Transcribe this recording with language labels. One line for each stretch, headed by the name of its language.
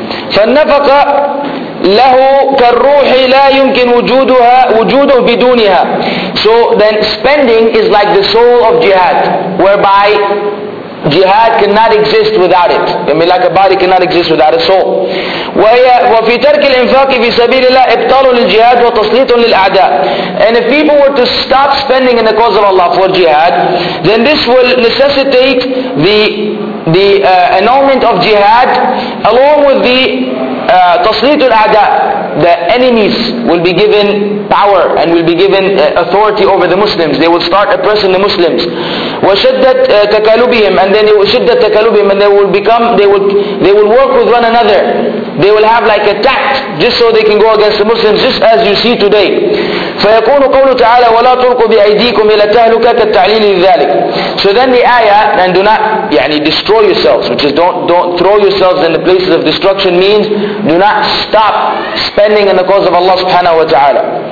Arabic: فالنفقة له كالروح لا يمكن وجودها وجوده بدونها.
English: So then spending is like the soul of jihad, whereby jihad cannot exist without it. I mean, like a body cannot exist without a soul.
Arabic: وفي ترك الإنفاق في سبيل الله إبطال للجهاد وتسليط للأعداء.
English: And if people were to stop spending in the cause of Allah for jihad, then this will necessitate the annulment of jihad along with the
Arabic: تسليط الأعداء.
English: The enemies will be given power and will be given authority over the Muslims. They will start oppressing the Muslims.
Arabic: وشدت تكالبهم,
English: and then
Arabic: شدت تكالبهم,
English: and they will work with one another. They will have like a tact just so they can go against the Muslims, just as you see today.
Arabic: فيكون قول تعالى ولا تلقوا بأيديكم إلى التهلكة كالتعليل لذلك.
English: So then the ayah, and do not يعني destroy yourselves, which is don't throw yourselves in the places of destruction, means do not stop spending in the cause of Allah subhanahu wa ta'ala.